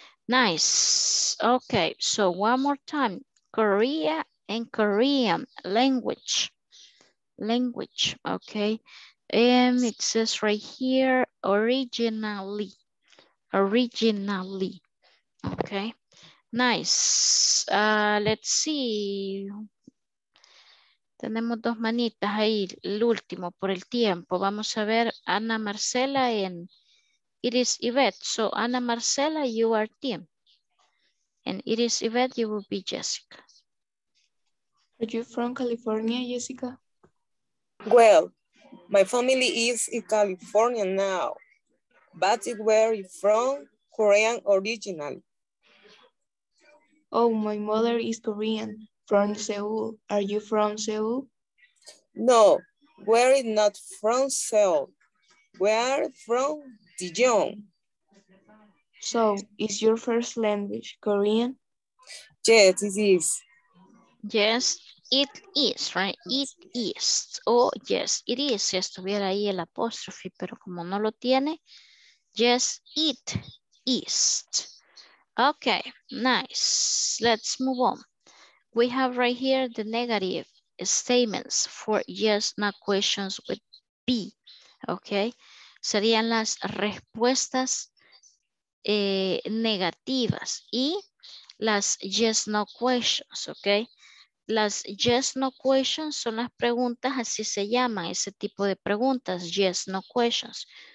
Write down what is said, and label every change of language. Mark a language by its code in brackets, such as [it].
[en] Nice, okay, so one more time, Korea and Korean language, language, okay. And it says right here, originally, originally, okay. Nice, let's see. [es] Tenemos dos manitas ahí, el último por el tiempo. Vamos a ver Ana Marcela and it is Yvette. [en] So Ana Marcela, you are Tim. And it is Yvette, you will be Jessica. Are you from California, Jessica? Well, my family is in California now. But where are you from? Korean originally. Oh, my mother is Korean. From Seoul. Are you from Seoul? No, we're not from Seoul. We are from Daejeon. So, is your first language Korean? Yes, it is. Yes, it is, right? It is. Oh, yes, it is. [es] Si estuviera ahí el apóstrofe, pero como no lo tiene, [en] yes, it is. Okay, nice. Let's move on. We have right here the negative statements for yes, not questions with B, okay? [es] Serían las respuestas negativas y las [en] yes, no questions, [es] okay? Las [en] yes, no questions [es] son las preguntas, así se llaman ese tipo de preguntas, yes, no questions.